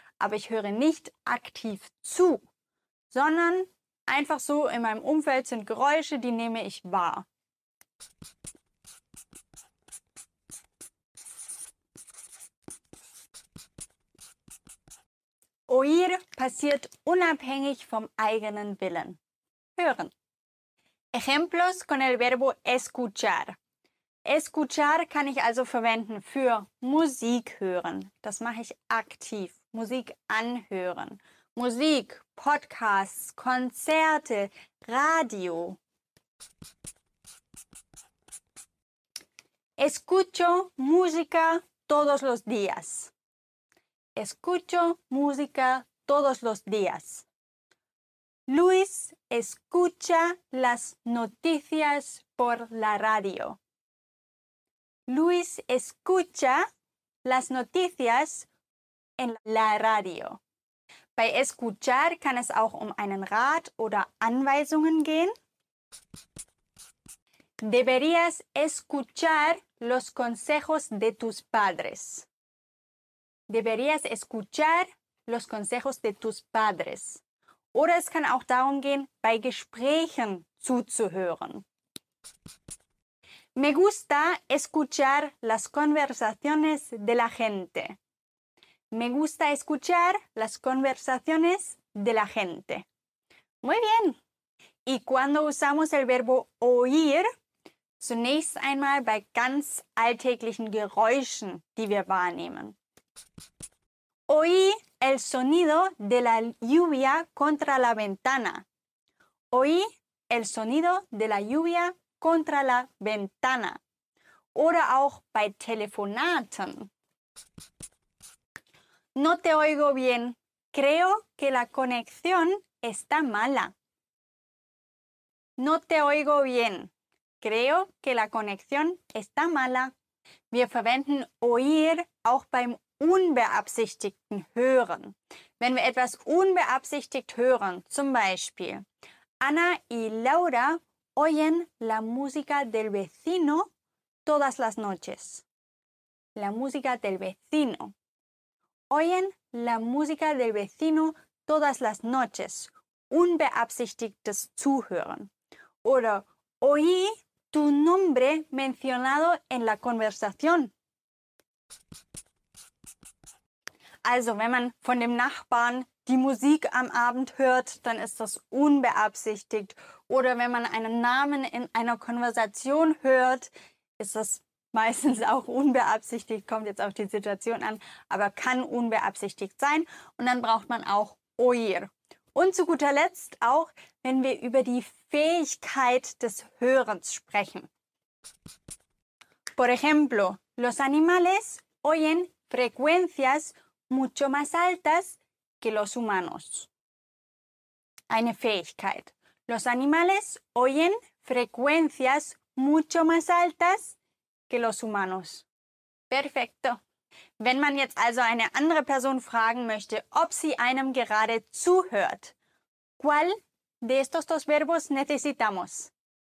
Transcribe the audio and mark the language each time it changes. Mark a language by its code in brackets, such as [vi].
[de] Aber ich höre nicht aktiv zu, sondern einfach so in meinem Umfeld sind Geräusche, die nehme ich wahr. Oír passiert unabhängig vom eigenen Willen. Hören. [es] Ejemplos con el verbo escuchar. [de] Escuchar kann ich also verwenden für Musik hören. Das mache ich aktiv. Musik anhören. Musik, Podcasts, Konzerte, Radio. [es] Escucho música todos los días. Escucho música todos los días. Luis escucha las noticias por la radio. Luis escucha las noticias en la radio. [de] Bei escuchar kann es auch um einen Rat oder Anweisungen gehen. [es] Deberías escuchar los consejos de tus padres. Deberías escuchar los consejos de tus padres. [de] Oder es kann auch darum gehen, bei Gesprächen zuzuhören. [es] Me gusta escuchar las conversaciones de la gente. Me gusta escuchar las conversaciones de la gente. Muy bien. Y cuando usamos el verbo oír, [de] zunächst einmal bei ganz alltäglichen Geräuschen, die wir wahrnehmen. [es] Oí el sonido de la lluvia contra la ventana. Oí el sonido de la lluvia contra la ventana. [de] Oder auch bei Telefonaten. [es] No te oigo bien. Creo que la conexión está mala. No te oigo bien. Creo que la conexión está mala. [de] Wir verwenden oír auch beim unbeabsichtigten Hören. Wenn wir etwas unbeabsichtigt hören, zum Beispiel [es] Anna y Laura oyen la música del vecino todas las noches. La música del vecino. Oyen la música del vecino todas las noches. [de] Unbeabsichtigtes Zuhören. [es] Oder oí tu nombre mencionado en la conversación. [de] Also, wenn man von dem Nachbarn die Musik am Abend hört, dann ist das unbeabsichtigt. Oder wenn man einen Namen in einer Konversation hört, ist das meistens auch unbeabsichtigt, kommt jetzt auf die Situation an, aber kann unbeabsichtigt sein. Und dann braucht man auch oír. Und zu guter Letzt auch, wenn wir über die Fähigkeit des Hörens sprechen. [es] Por ejemplo, los animales oyen frecuencias mucho más altas que los humanos. [de] Eine Fähigkeit. [es] Los animales oyen frecuencias mucho más altas que los humanos. Perfecto. [de] Wenn man jetzt also eine andere Person fragen möchte, ob sie einem gerade zuhört, [es] ¿cuál de estos dos verbos necesitamos?